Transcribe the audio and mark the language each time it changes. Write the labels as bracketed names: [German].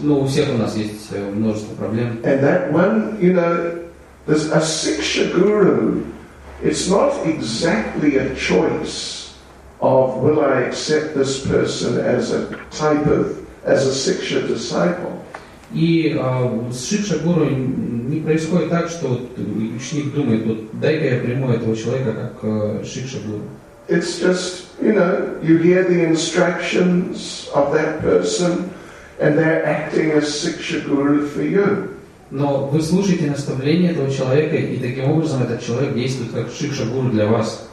[Russian] Ну, у всех у нас есть множество проблем. [English] And that one, you know, there's a Siksha guru. It's not exactly a choice of will I accept this person as a type of as a Siksha disciple. [Russian] И Siksha guru не происходит так, что ученик думает, вот дай-ка я приму этого человека как Siksha guru. [English] It's just, you know, you hear the instructions of that person and they're acting as Siksha guru for you. [Russian] Но вы слушаете наставления этого человека, и таким образом этот человек действует как Siksha guru для вас.